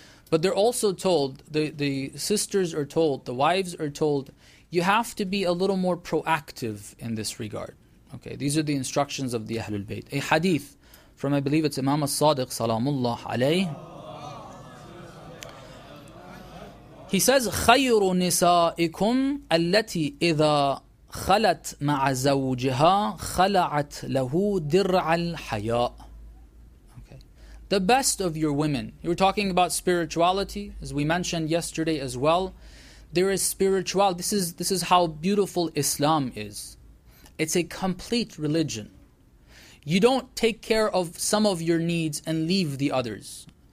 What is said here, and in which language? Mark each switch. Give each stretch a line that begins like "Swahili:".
English: But they're also told, the sisters are told, the wives are told, you have to be a little more proactive in this regard. Okay, these are the instructions of the Ahlul Bayt. A hadith from, I believe it's Imam As-Sadiq Salamullah Alayhi. He says,
Arabic: خَيْرُ نِسَائِكُمْ أَلَّتِي إِذَا خَلَتْ مَعَ زَوْجِهَا خَلَعَتْ لَهُ دِرْعَ الْحَيَاءِ.
English: Okay. The best of your women. You're talking about spirituality, as we mentioned yesterday as well. There is spirituality. This is how beautiful Islam is. It's a complete religion. You don't take care of some of your needs and leave the others.